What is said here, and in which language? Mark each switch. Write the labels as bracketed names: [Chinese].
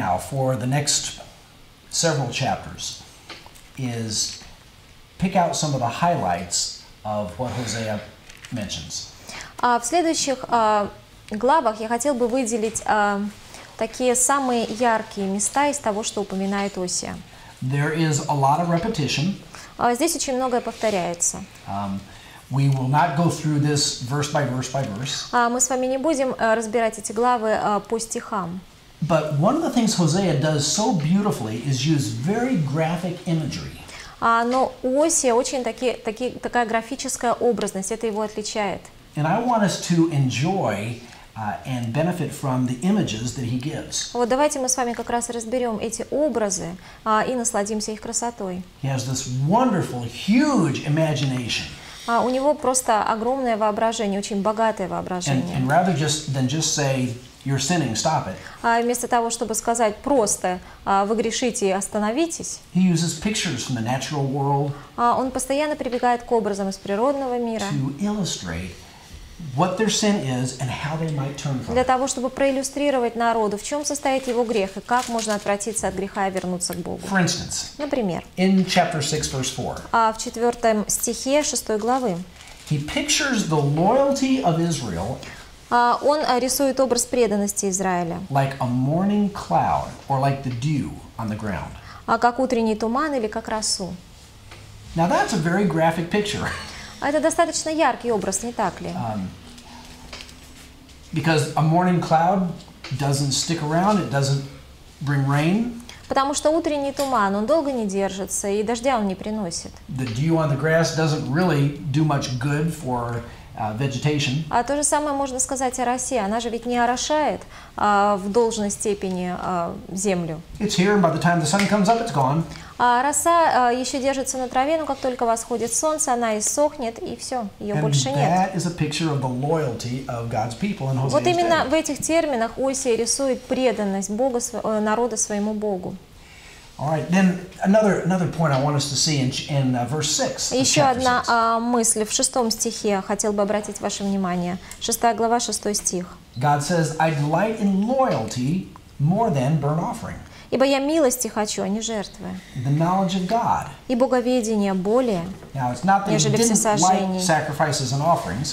[English] For the next several chapters is pick out some of the highlights of what Hosea mentions. [Russian] В следующих главах я хотел бы выделить такие самые яркие места из того, что упоминает Осия. [English] There is a lot of repetition. [Russian] Здесь очень многое повторяется. [English] We will not go through this verse by verse by verse. [Russian] Мы с вами не будем разбирать эти главы по стихам. [English] But one of the things Hosea does so beautifully is use very graphic imagery. [Russian] Но у Осии очень такая графическая образность, это его отличает. [English] And I want us to enjoy and benefit from the images that he gives. [Russian] Вот давайте мы с вами как раз разберем эти образы и насладимся их красотой. [English] He has this wonderful, huge imagination. [Russian] У него просто огромное воображение, очень богатое воображение. [English] And rather just than just say, you're sinning, stop it. [Russian] Вместо того, чтобы сказать просто, вы грешите, остановитесь. [English] He uses pictures from the natural world. [Russian] Он постоянно прибегает к образам из природного мира. [English] To illustrate what their sin is and how they might turn from it. [Russian] Для того, чтобы проиллюстрировать народу, в чем состоит его грех и как можно отвратиться от греха и вернуться к Богу. [English] For instance. [Russian] Например. [English] In chapter 6, verse 4. [Russian] В четвертом стихе шестой главы. [English] He pictures the loyalty of Israel. [Russian] Он рисует образ преданности Израиля. [English] Like a morning cloud, or like the dew on the ground. [Russian] Как утренний туман или как росу. [English] Now that's a very graphic picture. [Russian] Это достаточно яркий образ, не так ли? [English] Because a morning cloud doesn't stick around, it doesn't bring rain. [Russian] Потому что утренний туман, он долго не держится, и дождя он не приносит. [English] The dew on the grass doesn't really do much good for vegetation. [Russian] А то же самое можно сказать о росе. Она же ведь не орошает в должной степени землю. [English] It's here, and by the time the sun comes up, it's gone. [Russian] Роса еще держится на траве, но как только восходит солнце, она иссохнет, и все, ее больше нет. [English] And that is a picture of the loyalty of God's people in Hosea's day. [Russian] Вот именно в этих терминах Осия рисует преданность Богу, народа своему Богу. [English] All right, then another point I want us to see in verse 6. [Russian] Еще одна мысль в шестом стихе хотел бы обратить ваше внимание. Шестая глава, шестой стих. [English] God says, "I delight in loyalty more than burnt offering." [Russian] Ибо я милости хочу, а не жертвы. [English] The knowledge of God. [Russian] И боговедение более. [English] Now it's not that he didn't like sacrifices and offerings.